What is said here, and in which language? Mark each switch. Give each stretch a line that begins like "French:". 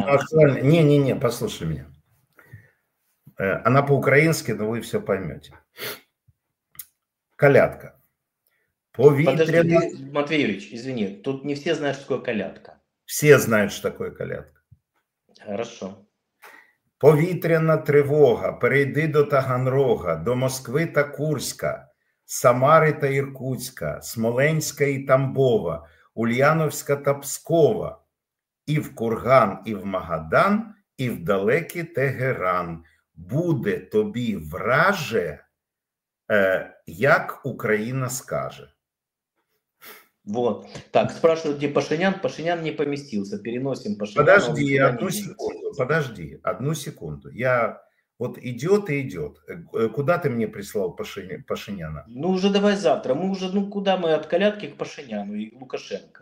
Russian: актуально. Не, послушай меня. Она по-украински, но вы все поймете. Колядка. Подожди,
Ukrainian: Повітряна.
Russian: Матвей Юрьевич, извини, тут не все знают, что такое колядка. Все знают, что такое колядка. Хорошо.
Ukrainian: Повітряна тривога. Перейди до Таганрога, до Москви та Курська, Самари та Іркутська, Смоленська і Тамбова, Ульяновська та Пскова, і в Курган, і в Магадан, і в далекий Тегеран. Буде тобі враже, як Україна скаже.
Russian: Вот. Так, спрашивают, где Пашинян? Пашинян не поместился. Переносим Пашиняна, он Подожди никуда одну не секунду, денется. подожди одну секунду. Я вот идет и идет. Куда ты мне прислал Пашиняна? Ну, уже давай завтра. Мы уже, ну, куда мы от колядки к Пашиняну и Лукашенко.